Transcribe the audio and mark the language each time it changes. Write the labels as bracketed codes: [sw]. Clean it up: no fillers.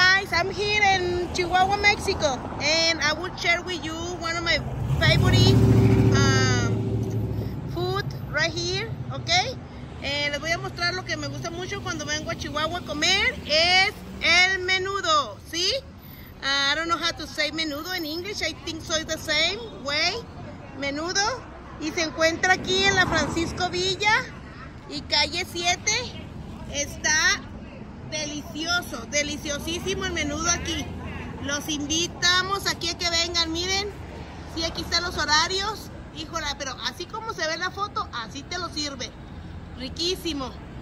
[en] I'm here in Chihuahua, Mexico, and I would share with you one of my favorite food right here, okay? [es] Les voy a mostrar lo que me gusta mucho cuando vengo a Chihuahua a comer, es el menudo, ¿sí? [en] I don't know how to say menudo in English, I think so it's the same way, menudo. [es] Y se encuentra aquí en la Francisco Villa y calle 7, está delicioso, deliciosísimo el menudo aquí. Los invitamos aquí a que vengan, miren, sí, aquí están los horarios, híjole, pero así como se ve en la foto, así te lo sirve. Riquísimo.